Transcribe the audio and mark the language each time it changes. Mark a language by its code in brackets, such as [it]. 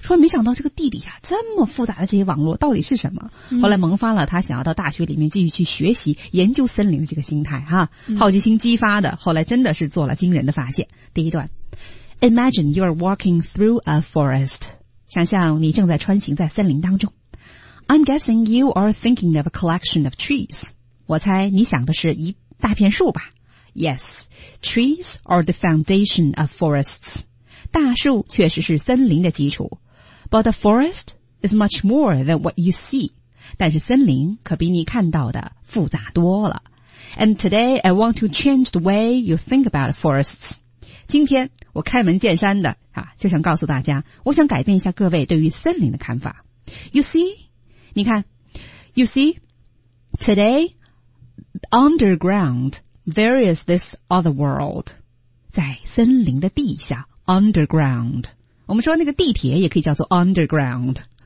[zh] 说没想到这个地底下这么复杂的这些网络到底是什么。后来萌发了他想要到大学里面继续去学习研究森林的这个心态哈，好奇心激发的，后来真的是做了惊人的发现。第一段 [en] ，Imagine you are walking through a forest. [zh] 想象你正在穿行在森林当中。 [en] I'm guessing you are thinking of a collection of trees. [zh] 我猜你想的是一大片树吧。 [en] Yes, trees are the foundation of forests. [zh] 大树确实是森林的基础。 [en] But a forest is much more than what you see. [zh] 但是森林可比你看到的复杂多了。 [en] And today, I want to change the way you think about forests. [zh] 今天我开门见山的啊，就想告诉大家，我想改变一下各位对于森林的看法。 [en] You see? [zh] 你看 [en] ,You see? Today, underground, there is this other world. [zh] 在森林的地下 ,underground. 我们说那个地铁也可以叫做 underground.